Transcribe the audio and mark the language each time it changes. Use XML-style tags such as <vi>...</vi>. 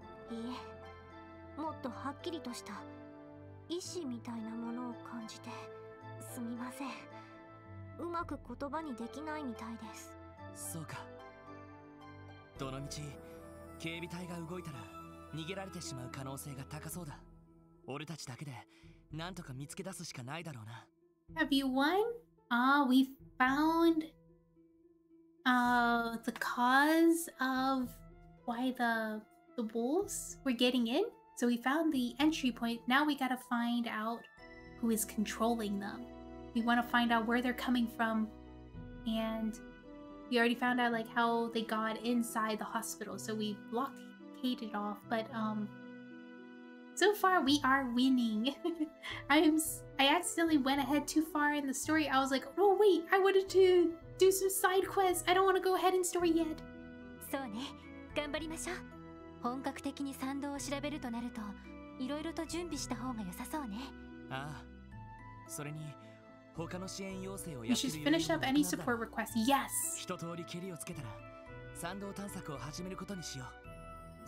<ja>いいえ、もっとはっきりとした意志みたいなものを感じて、すみません、うまく言葉にできないみたいです。そうか。どの道警備隊が動いたら逃げられてしまう可能性が高そうだ。俺たちだけで何とか見つけ出すしかないだろうな。</ja> <en>Have you won? We found the cause of why the wolves were getting inSo we found the entry point. Now we gotta find out who is controlling them. We wanna find out where they're coming from. And we already found out like how they got inside the hospital. So we blockaded off. But so far we are winning. I accidentally went ahead too far in the story. I was like, oh wait, I wanted to do some side quests. I don't wanna go ahead in story yet.</en> <ja>そうね、頑張りましょう。本格的に山道を調べるとなると、いろいろと準備した方が良さそうね。ああ、それに他の支援要請をやってる余裕もなくなった。</ja> <en>Yes。</en> <ja>一通りケリをつけたら、山道探索を始めることにしよう。</ja>